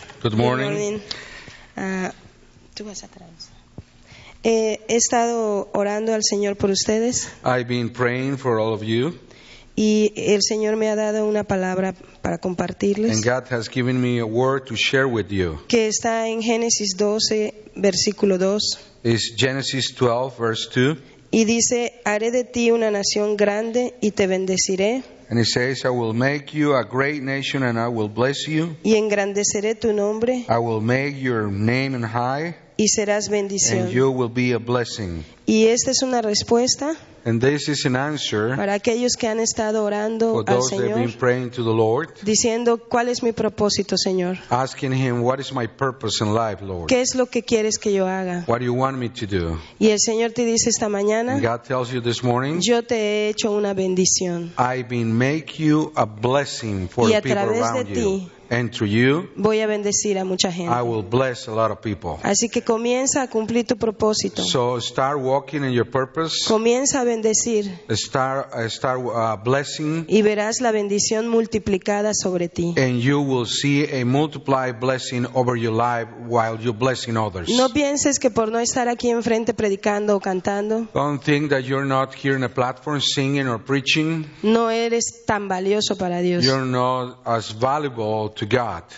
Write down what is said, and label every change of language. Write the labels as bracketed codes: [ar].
[en] Good morning. [es] Tú vas atrás. He estado orando al Señor por ustedes. [en] I've been praying for all of you. [es] Y el Señor me ha dado una palabra para compartirles. [en] And God has given me a word to share with you. [es] Que está en Génesis 12, versículo 2. [en] It's Genesis 12, verse 2. [es] Y dice, haré de ti una nación grande y te bendeciré. [en] And it says, I will make you a great nation and I will bless you. [es] Y engrandeceré tu nombre. [en] I will make your name in high. [es] Y serás bendición. [en] And you will be a blessing. [es] Y esta es una respuesta. [en] And this is an answer. [es] Para aquellos que han estado orando al Señor. [en] For those that have been praying to the Lord. [es] Diciendo, ¿cuál es mi propósito, Señor? [en] Asking him, what is my purpose in life, Lord? [es] ¿Qué es lo que quieres que yo haga? [en] What do you want me to do? [es] Y el Señor te dice esta mañana. [en] And God tells you this morning. [es] Yo te he hecho una bendición. [en] I've been make you a blessing for [es] y [en] the people around [es] de ti, [en] you. And to you, [es] voy a bendecir a mucha gente. [en] I will bless a lot of people. [es] Así que comienza a cumplir tu propósito. [en] So start walking in your purpose. [es] Comienza a bendecir. [en] Start blessing. [es] Y verás la bendición multiplicada sobre ti. [en] And you will see a multiplied blessing over your life while you're blessing others. [es] No pienses que por no estar aquí enfrente predicando o cantando. [en] Don't think that you're not here in a platform singing or preaching. [es] No eres tan valioso para Dios. [en] You're not as valuable to God.